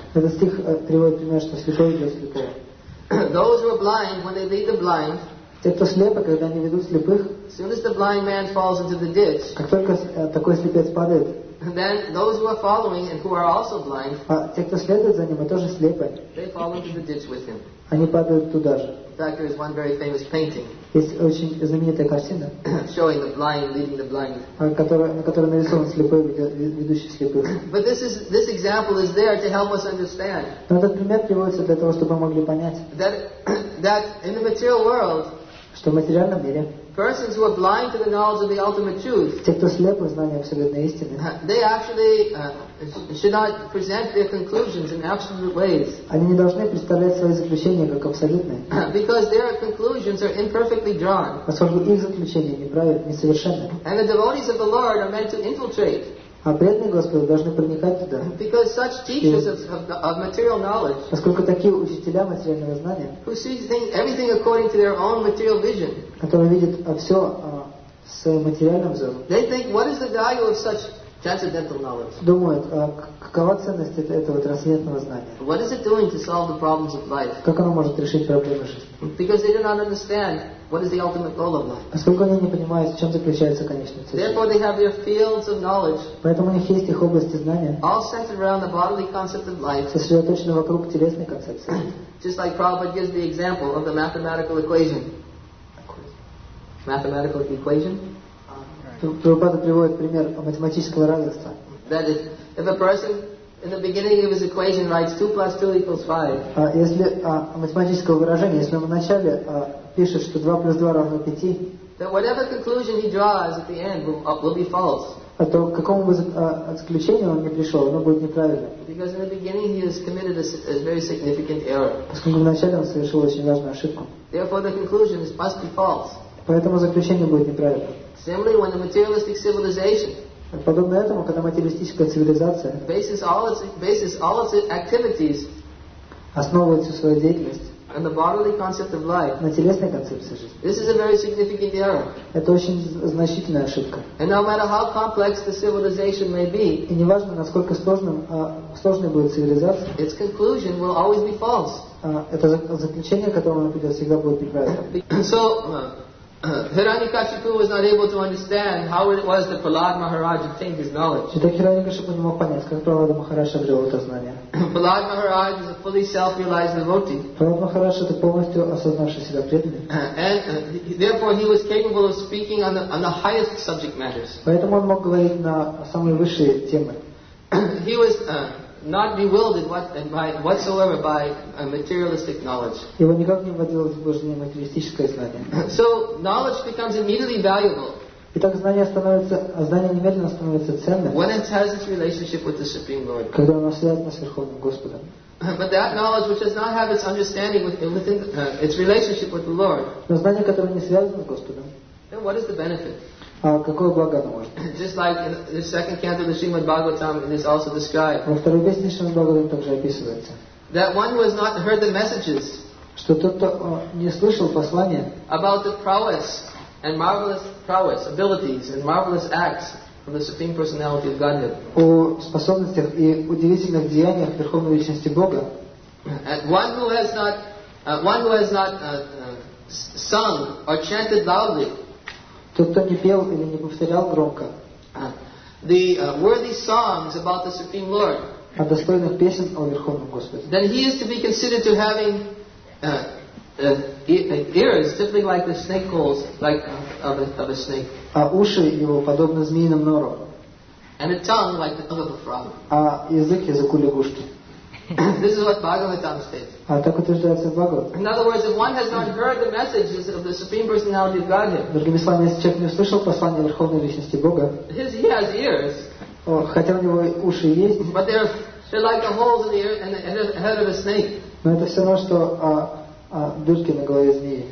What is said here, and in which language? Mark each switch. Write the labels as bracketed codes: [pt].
[ru] Этот стих приводит пример, что слепой ведет слепого. [en] Those who are blind, when they lead the blind, [ru] те, кто слепы, когда они ведут слепых, [en] as soon as the blind man falls into the ditch, [ru] как только такой слепец падает, [en] then those who are following and who are also blind, [ru] те, кто следует за ним, тоже слепы, [en] they fall into the ditch with him. [ru] Они падают туда же. [en] In fact, there is one very famous painting. [ru] Есть очень знаменитая картина, [en] showing the blind leading the blind. [ru] На которой нарисован слепой, ведущий слепых. [en] But this example is there to help us understand. [ru] Но этот пример приводится для того, чтобы мы могли понять, [en] that in the material world, [ru] что в материальном мире, [en] persons who are blind to the knowledge of the ultimate truth, [ru] те, кто слепы знанию абсолютной истины, [en] they actually should not present their conclusions in absolute ways. [ru] Они не должны представлять свои заключения как абсолютные. [en] Because their conclusions are imperfectly drawn. [ru] Поскольку их заключения неправильные, несовершенны. [en] And the devotees of the Lord are meant to infiltrate. [ru] А преданные Господу должны проникать туда. [en] Because such teachers of material knowledge, [ru] поскольку такие учителя материального знания, [en] who see things, everything according to their own material vision, [ru] которые видят все с материальным взором, [en] they think, what is the value of such transcendental knowledge? [ru] Думают, какова ценность этого трансцендентного знания? [en] What is it doing to solve the problems of life? [ru] Как оно может решить проблемы жизни? [en] Because they do not understand what is the ultimate goal of life. [ru] Поскольку они не понимают, в чем заключается конечная цель. [en] Therefore, they have their fields of knowledge. [ru] Поэтому у них есть их области знания. [en] All centered around the bodily concept of life. [ru] Сосредоточены вокруг телесной концепции. [en] Just like Prabhupada gives the example of the mathematical equation. Mathematical equation. [ru] Прабхупада приводит пример математического равенства. [en] That is, if a person in the beginning of his equation writes 2 + 2 = 5. [ru] Если математического выражения, если мы вначале пишет, что 2 плюс 2 равно 5, [en] that whatever conclusion he draws at the end will be false. [ru] А то к какому бы заключению он не пришел, оно будет неправильно. [en] Because in the beginning he has committed a very significant error. [ru] Поскольку вначале он совершил очень важную ошибку. [en] Therefore the conclusion must be false. [ru] Поэтому заключение будет неправильно. [en] Similarly, when the materialistic civilization, [ru] подобно этому, когда материалистическая цивилизация [en] basis all its activities, [ru] основывает всю свою деятельность [en] and the bodily concept of life, [ru] на телесной концепции жизни. [en] This is a very significant error. [ru] Это очень значительная ошибка. [en] And no matter how complex the civilization may be, [ru] и неважно, насколько сложной будет цивилизация, [en] its conclusion will always be false. [ru] Это заключение, к которому она придет, всегда будет неправильно. [en] So, Hiranyakashipu was not able to understand how it was that Prahlad Maharaj obtained his knowledge. [ru] Итак, Hiranyakashipu не мог понять, как Прахлада Махарадж обрел это знание. [en] Prahlad Maharaj is a fully self-realized devotee. [ru] Прахлад Махарадж это полностью осознавший себя преданный. [en] And therefore he was capable of speaking on the highest subject matters. [ru] Поэтому он мог говорить на самые высшие темы. [en] He was not bewildered whatsoever by a materialistic knowledge. [ru] Его никак не вводило в заблуждение материалистическое знание. [en] So knowledge becomes immediately valuable. [ru] Итак, знание немедленно становится ценным. [en] When it has its relationship with the Supreme Lord. [ru] Когда оно связано с Верховным Господом. [en] But that knowledge which does not have its understanding within its relationship with the Lord. [ru] Но знание, которое не связано с Господом. [en] Then what is the benefit? [ru] Какое благо оно может? [en] Just like in the second canto of the Srimad Bhagavatam, it is also described. [ru] Во второй песне Шримад Бхагаватам также описывается. [en] That one who has not heard the messages. [ru] Что тот, кто не слышал послания. [en] About the prowess and marvelous prowess, abilities and marvelous acts of the Supreme Personality of Godhead. [ru] О способностях и удивительных деяниях Верховной Личности Бога. [en] One who has not sung or chanted loudly. [ru] Тот, кто не пел или не повторял громко. [en] The worthy songs about the Supreme Lord. [ru] О достойных песен о Верховном Господе. [en] Then he is to be considered to having ears simply like the snake holes, like of a snake. [ru] А уши его подобны змеиным норам. [en] And a tongue like the tongue of a frog. [ru] А язык языку лягушки. [en] This is what Bhagavatam states. [ru] А так утверждается Бхагават. [en] In other words, if one has not heard the messages of the Supreme Personality of Godhead. [ru] Другими словами, если человек не услышал послание Верховной Личности Бога. [en] He has ears. [ru] Хотя у него уши есть. [en] But they're like the holes in the ear and the head of a snake. [ru] Но это все равно, что дырки на голове змеи.